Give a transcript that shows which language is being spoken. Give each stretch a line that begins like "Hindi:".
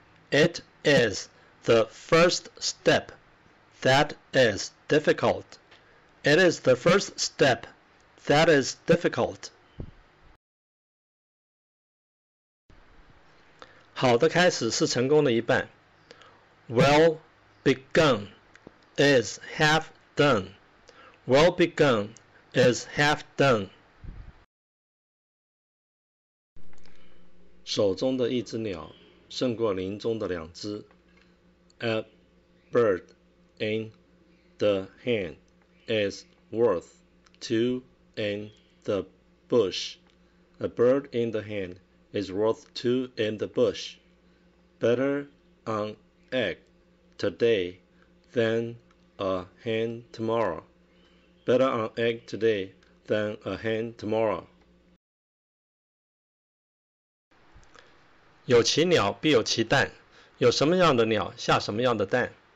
English: It is the first step that is difficult. It is the first step that is difficult.
Chinese: 好的开始是成功的一半。
English: Well begun is half done. Well begun is half done.
Chinese: 手中的一只鸟胜过林中的两只。
English: A bird in the hand is worth two in the bush. A bird in the hand is worth two in the bush. Better an egg today than a hen tomorrow. Better an egg today than a hen tomorrow.
Chinese: 有其鸟必有其蛋，有什么样的鸟下什么样的蛋。